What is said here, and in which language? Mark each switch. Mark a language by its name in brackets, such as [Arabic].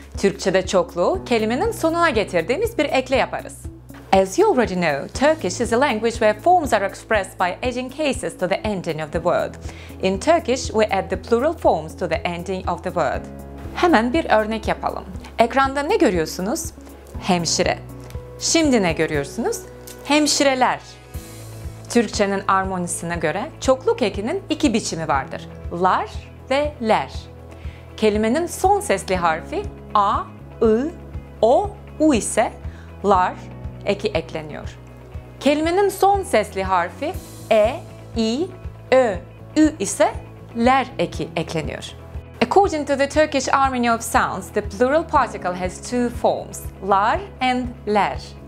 [Turkish] Türkçe'de çokluğu kelimenin sonuna getirdiğimiz bir ekle yaparız. [English] As you already know, Turkish is a language where forms are expressed by adding cases to the ending of the word. In Turkish, we add the plural forms to the ending of the word. [Turkish] Hemen bir örnek yapalım. Ekranda ne görüyorsunuz? Hemşire. Şimdi ne görüyorsunuz? Hemşireler. Türkçenin armonisine göre çokluk ekinin iki biçimi vardır. Lar ve ler. Kelimenin son sesli harfi a, ı, o, u ise lar eki ekleniyor. Kelimenin son sesli harfi e, i, ö, ü ise ler eki ekleniyor. [English] According to the Turkish Army of Sounds, the plural particle has two forms, lar and ler.